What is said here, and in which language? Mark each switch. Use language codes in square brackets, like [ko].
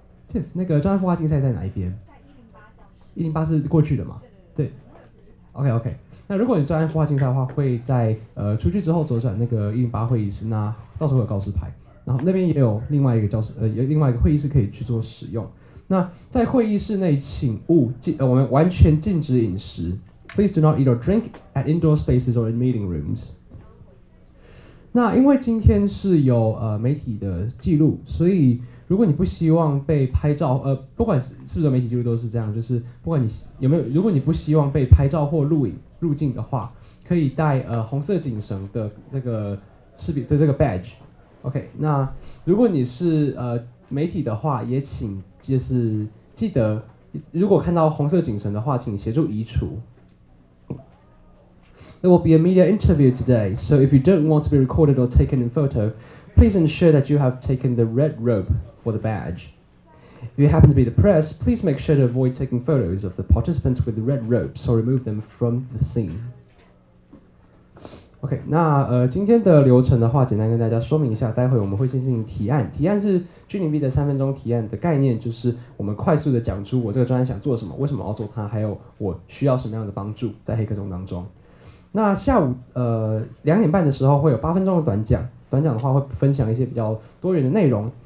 [zh] Tiff， 那个专案孵化竞赛在哪一边？在 108是过去的嘛？对。 OK。那如果你专案孵化竞赛的话，会在出去之后左转那个108会议室，那到时候有告示牌。然后那边也有另外一个教室，有另外一个会议室可以去做使用。那在会议室内，请勿我们完全禁止饮食 ， Please do not eat or drink at indoor spaces or in meeting rooms。那因为今天是有媒体的记录，所以如果你不希望被拍照，不管是不是媒体记录都是这样，就是不管你有没有，如果你不希望被拍照或录影入境的话，可以带红色警绳的这个识别的这个 badge。 OK， 那如果你是媒体的话，也请就是记得，如果看到红色警绳的话，请协助移除。 [en] There will be a media interview today, so if you don't want to be recorded or taken in photo, please ensure that you have taken the red rope for the badge. If you happen to be the press, please make sure to avoid taking photos of the participants with the red ropes or remove them from the scene. [zh] OK， 那今天的流程的话，简单跟大家说明一下。待会我们会先进行提案，提案是 G0V 的三分钟提案的概念，就是我们快速的讲出我这个专案想做什么，为什么要做它，还有我需要什么样的帮助在黑客松当中。那下午2:30的时候会有8分钟的短讲，短讲的话会分享一些比较多元的内容。